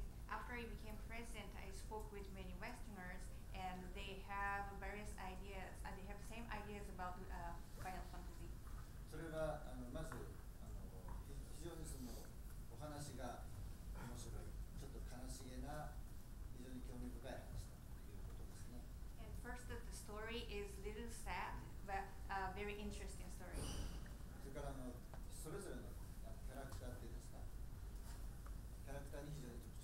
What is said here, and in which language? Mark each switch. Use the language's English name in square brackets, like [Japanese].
[English] After I became president, I spoke with many Westerners, and they have various ideas, and they have the same ideas about Final Fantasy. [Japanese] それはあのまずあの非常にそのお話が面白い、ちょっと悲しげな非常に興味深い話だということですね。 [English] And first, that the story is a little sad, but a very interesting story. [Japanese] それからあのそれぞれのキャラクターっていうんですか、キャラクターに非常に。